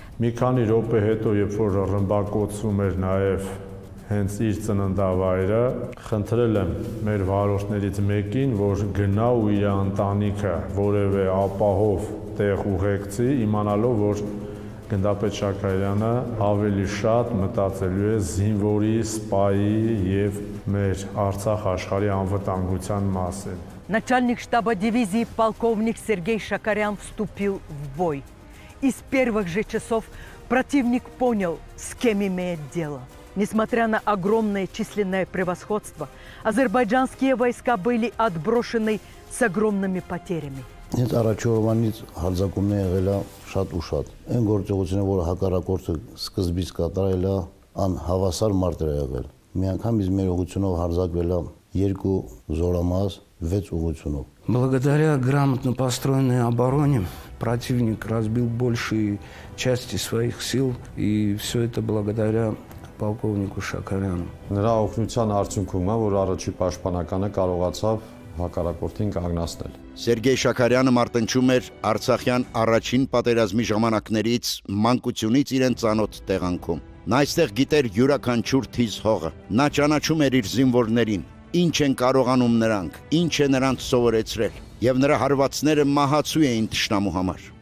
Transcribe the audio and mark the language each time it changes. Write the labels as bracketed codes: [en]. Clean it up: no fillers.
[hy] Մի քանի րոպե հետո, երբ որ ռմբակոծում էր նաև հենց իր ծննդավայրը, խնդրել եմ մեր վարորդներից մեկին, որ գնա ու իր ընտանիքը որևէ ապահով տեղ ուղեկցի, իմանալով, որ Գնդապետ Շաքարյանը ավելի շատ մտածելու է զինվորի, սպայի եւ մեր Արցախ աշխարհի անվտանգության մասին։ [ru] Начальник штаба дивизии полковник Сергей Шакарян вступил в бой. И с первых же часов противник понял, с кем имеет дело. Несмотря на огромное численное превосходство, азербайджанские войска были отброшены с огромными потерями. [hy] Ինչ առաջորդանից հարձակում է եղել շատ ու շատ։ Այն գործողությունը, որ հակառակորդը սկզբից կատարել է, անհավասար մարդ է եղել։ Մի անգամ իզ մեր ուղությունով հարձակվել է երկու զորամաս 6 ուղությունով։ [ru] Благодаря грамотно построенной обороне противник разбил большие части своих сил, и всё это благодаря полковнику Шакаряну. [hy] Նրա օգնության արդյունքում է, որ առաջի պաշտպանականը կարողացավ հակառակորդին կանգնացնել։ Սերգեյ Շաքարյանը մարտնչում էր Արցախյան առաջին պատերազմի ժամանակներից մանկությունից իրեն ծանոթ տեղանքում։ Նա այստեղ գիտեր յուրաքանչյուր թիզ հողը, նա ճանաչում էր իր զինվորներին, ինչ են կարողանում նրանք, ինչ է նրանց սովորեցրել, եւ նրա հարվածները մահացու էին թշնամու համար։